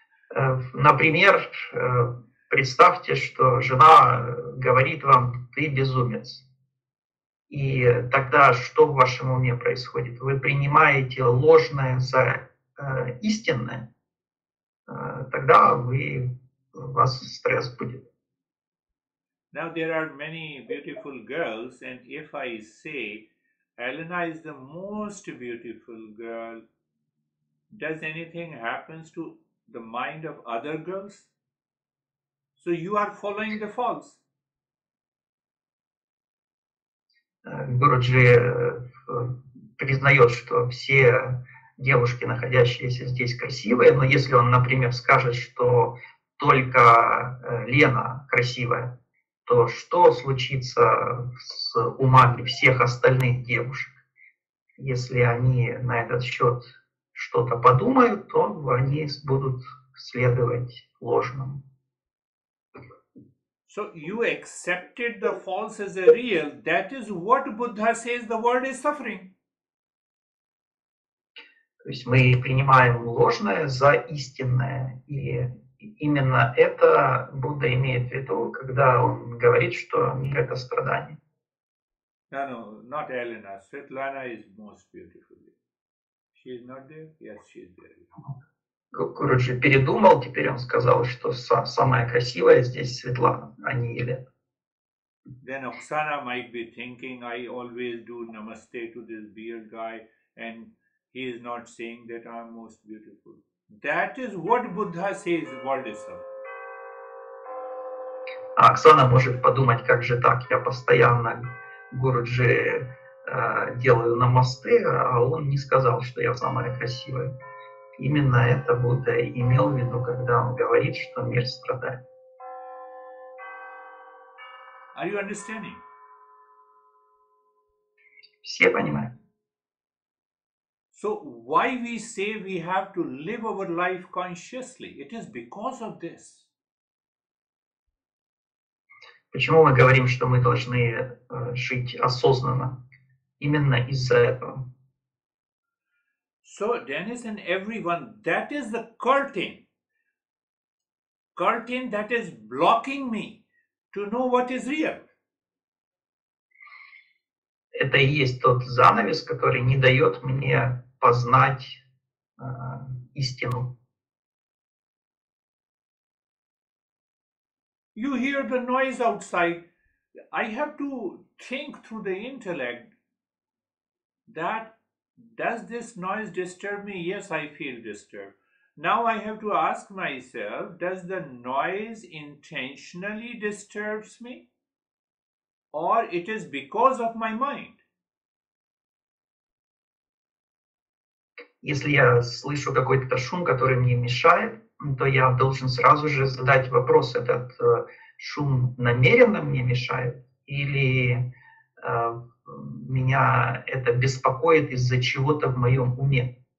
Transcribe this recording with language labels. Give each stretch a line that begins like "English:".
Russian: Например, представьте, что жена говорит вам, ты безумец. И тогда что в вашем уме происходит? Вы принимаете ложное за истинное, тогда у вас стресс будет.
English: Now there are many beautiful girls, and if I say Elena is the most beautiful girl, does anything happens to the mind of other girls? So you are following the false.
Russian: Гуруджи признает, что все девушки, находящиеся здесь, красивые, но если он, например, скажет, что только Лена красивая, то что случится с умами всех остальных девушек? Если они на этот счет что-то подумают, то они будут следовать ложному.
English: So you accepted the false as a real. That is what Buddha says the world is suffering.
Russian: То есть мы принимаем ложное за истинное. И именно это Будда имеет в виду, когда он говорит, что мир это страдание.
English: No, no, not Elena. Svetlana is most beautiful. She is not there? Yes, she is there.
Russian: Короче, передумал, теперь он сказал, что самая красивая здесь Светлана, а не Елена.
English: Then Oksana might be thinking, I always do namaste to this beard guy, and he is not saying that I'm most beautiful. That is what Buddha says, world is suffering.
Russian: А Оксана может подумать, как же так, я постоянно Гуруджи делаю намасте, а он не сказал, что я самая красивая. Именно это Будда имел в виду, когда он говорит, что мир страдает.
English: Are you understanding?
Russian: Все понимают.
English: So why we say we have to live our life consciously? It is because of this.
Russian: Почему мы говорим, что мы должны жить осознанно? Именно из-за этого.
English: So, Dennis and everyone, that is the curtain. Curtain that is blocking me to know what is real.
Russian: Это и есть тот занавес, который не дает мне познать истину.
English: You hear the noise outside. I have to think through the intellect that does this noise disturb me? Yes, I feel disturbed. Now I have to ask myself, does the noise intentionally disturbs me? Or it is because of my mind?
Russian: Если я слышу какой-то шум, который мне мешает, то я должен сразу же задать вопрос, этот шум намеренно мне мешает или меня это беспокоит из-за чего-то в моем уме.